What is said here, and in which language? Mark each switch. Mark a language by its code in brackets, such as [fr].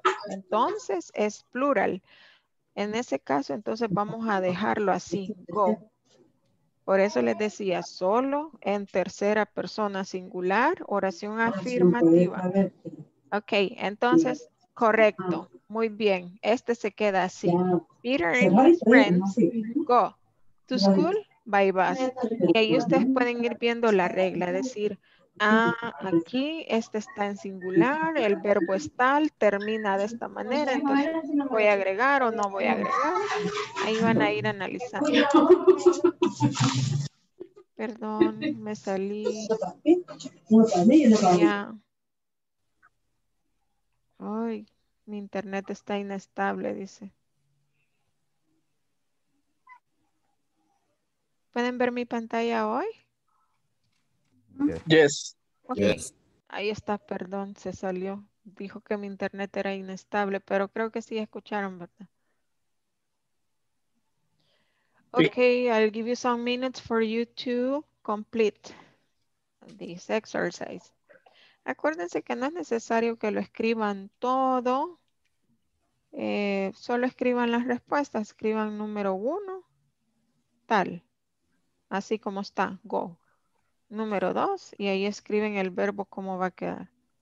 [es] Entonces, es plural. En ese caso, entonces vamos a dejarlo así, go. Por eso les decía, solo en tercera persona singular, oración afirmativa. Ok, entonces, correcto. Muy bien, este se queda así. [en] Peter and his friends go to school by bus. [es] Y ahí ustedes pueden ir viendo la regla, decir, ah, aquí este está en singular, el verbo es tal, termina de esta manera, entonces voy a agregar o no voy a agregar. Ahí van a ir analizando. Perdón, me salí. Ya. Ay, mi internet está inestable, dice. ¿Pueden ver mi pantalla hoy? [en] Yes. [es] Okay. [en] Yes. [es] Ahí está, perdón, se salió. Dijo que mi internet era inestable, pero creo que sí escucharon, ¿verdad? [en] Okay, I'll give you some minutes for you to complete this exercise. [es] Acuérdense que no es necesario que lo escriban todo. Solo escriban las respuestas. Escriban número uno, tal. Así como está, go. Número dos, y ahí escriben el verbo cómo va a quedar.